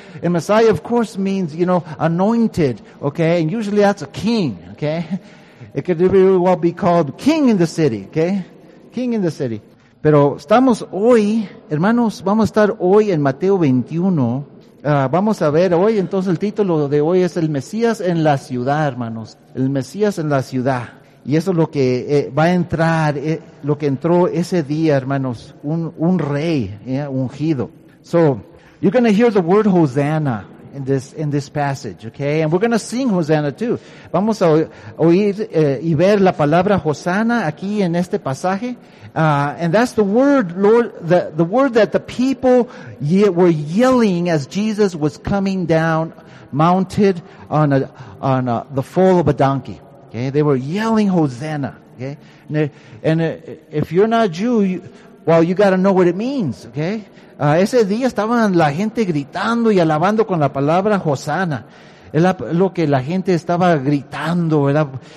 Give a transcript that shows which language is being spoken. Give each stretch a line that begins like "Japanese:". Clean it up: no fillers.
English: And Messiah, of course, means, you know, anointed, okay? And usually that's a king, okay? It could really well be called King in the City, okay? King in the City.
Spanish: Pero estamos hoy, hermanos, vamos a estar hoy en Mateo 21. Vamos a ver hoy, entonces el título de hoy es El Mesías en la Ciudad, hermanos. El Mesías en la Ciudad. Y eso es lo que va a entrar, lo que entró ese día, hermanos, un rey, ungido.
English: So, you're going to hear the word Hosanna in this passage, okay? And we're going to sing Hosanna too.
Spanish: Vamos a oír y ver la palabra Hosanna aquí en este pasaje.
English: And that's the word, Lord, the word that the people were yelling as Jesus was coming down, mounted on the foal of a donkey. Okay, they were yelling Hosanna. Okay, and if you're not Jew, you got to know what it means.
Spanish: Okay, ese día estaban la gente gritando y alabando con la palabra Hosanna. Es lo que la gente estaba gritando, ¿verdad?